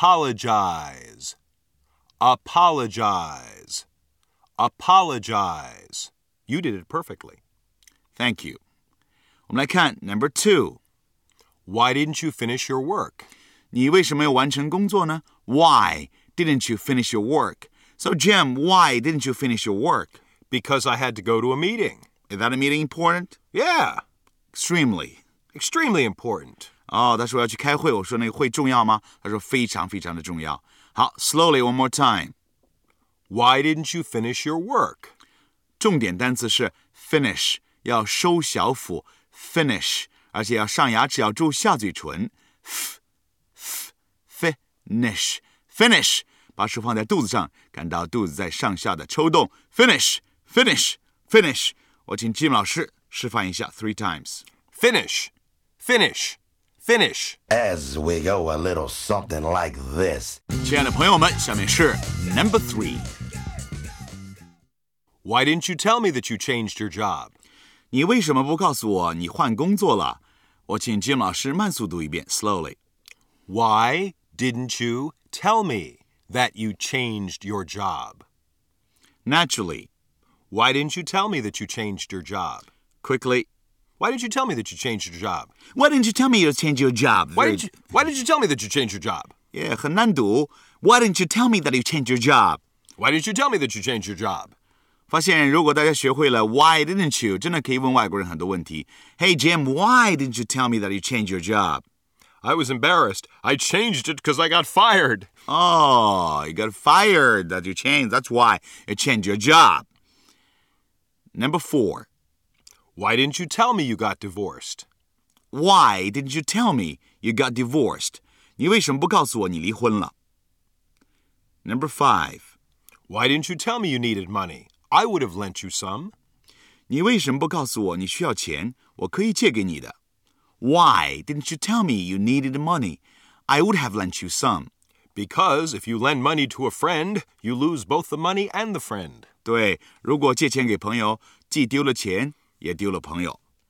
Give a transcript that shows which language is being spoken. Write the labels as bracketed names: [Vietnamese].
[English] Apologize, apologize, apologize. You did it perfectly. Thank you. [Chinese] 我们来看 [English] number two. Why didn't you finish your work? [Chinese] 你为什么要完成工作呢？ [English] Why didn't you finish your work? So, Jim, why didn't you finish your work? Because I had to go to a meeting. Is that a meeting important? Yeah. Extremely. Extremely important. [Chinese] Oh, 他说要去开会。我说那个会重要吗？他说非常非常的重要。 [English] 好 slowly, one more time. Why didn't you finish your work? [Chinese] 重点单词是 finish, 要收小腹 finish, 而且要上牙齿要住下嘴唇 finish, finish. 把手放在肚子上，感到肚子在上下的抽动。 [English] Finish, finish, finish. [Chinese] 我请 Jim 老师示范一下 [English] three times. Finish, finish, finish. As we go a little something like this. [Chinese] 亲爱的朋友们，下面是 number three. [English] Why didn't you tell me that you changed your job? [Chinese] 你为什么不告诉我你换工作了？我请 Jim 老师慢速读一遍 slowly. [English] Why didn't you tell me that you changed your job? Naturally. Why didn't you tell me that you changed your job? Quickly. Why didn't you tell me that you changed your job? Why didn't you tell me you changed your job? Why didn't you tell me that you changed your job? [Chinese] Yeah, 很难读。 [English] Why didn't you tell me that you changed your job? Why didn't you tell me that you changed your job? [Chinese] 发现如果大家学会了 [English] why didn't you, [Chinese] 真的可以问外国人很多问题。 [English] Hey, Jim, why didn't you tell me that you changed your job? I was embarrassed. I changed it because I got fired. Oh, you got fired. That you changed. That's why you changed your job. Number four. Why didn't you tell me you got divorced? Why didn't you tell me you got divorced? [Chinese] 你为什么不告诉我你离婚了? [English] Number five. Why didn't you tell me you needed money? I would have lent you some. [Chinese] 你为什么不告诉我你需要钱? 我可以借给你的。 [English] Why didn't you tell me you needed money? I would have lent you some. Because if you lend money to a friend, you lose both the money and the friend. [Chinese] 对,如果借钱给朋友,既丢了钱,也丢了朋友。